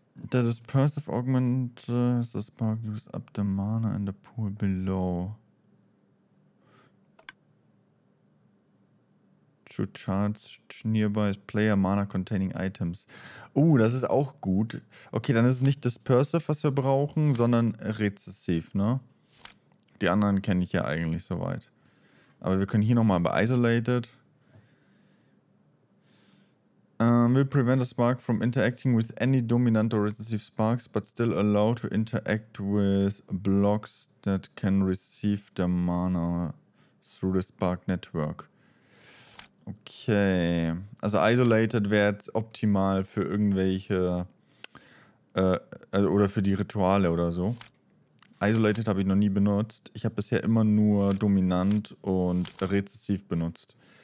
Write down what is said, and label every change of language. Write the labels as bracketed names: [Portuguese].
[English] The dispersive augment is the spark used up the mana in the pool below. To charge nearby player mana containing items. [German] Das ist auch gut. Okay, dann ist es nicht dispersive, was wir brauchen, sondern recessive, ne? Die anderen kenne ich ja eigentlich soweit. Aber wir können hier nochmal bei isolated. [English] Will prevent a spark from interacting with any dominant or recessive sparks, but still allow to interact with blocks that can receive the mana through the spark network. [German] Okay, also isolated wäre jetzt optimal für irgendwelche, oder für die Rituale oder so. Isolated habe ich noch nie benutzt, ich habe bisher immer nur dominant und recessiv benutzt.